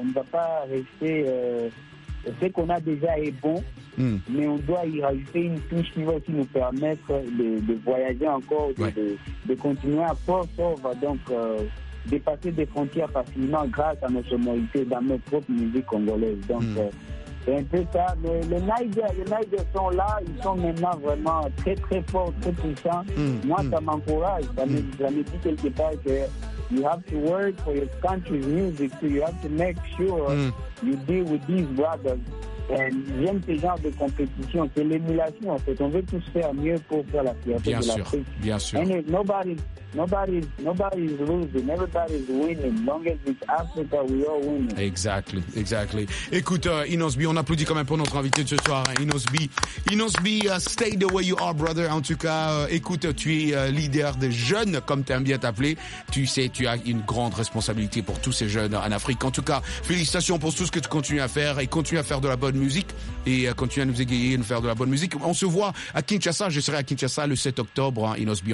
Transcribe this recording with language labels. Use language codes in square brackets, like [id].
[fr] On ne va pas rester. Ce qu'on a déjà est bon, mais on doit y rajouter une touche qui va aussi nous permettre de voyager encore, de continuer à force, donc dépasser des frontières facilement grâce à nos sonorités dans nos propres musiques congolaises. Donc, c'est un peu ça. Mais les Niger sont là, ils sont maintenant vraiment très, très forts, très puissants. Moi, ça m'encourage. Ça me dit quelque part que [en] you have to work for your country's music too. You have to make sure you deal with these brothers. [fr] And j'aime ce genre de compétition, c'est l'émulation en fait. On veut tous faire mieux pour faire la fierté bien de sûr, l'Afrique. Bien sûr. [en] And nobody's losing, everybody's winning. Long as it's Africa, we all winning. Exactly. [fr] Écoute, Inos B, on applaudit quand même pour notre invité de ce soir, Inos B. [en] Inos B, stay the way you are, brother. [fr] En tout cas, écoute, tu es leader des jeunes, comme t'aimes bien t'appeler. Tu sais, tu as une grande responsabilité pour tous ces jeunes en Afrique. En tout cas, félicitations pour tout ce que tu continues à faire et continue à faire de la bonne musique et continue à nous égayer et nous faire de la bonne musique. On se voit à Kinshasa. Je serai à Kinshasa le 7 octobre, hein, Inos B.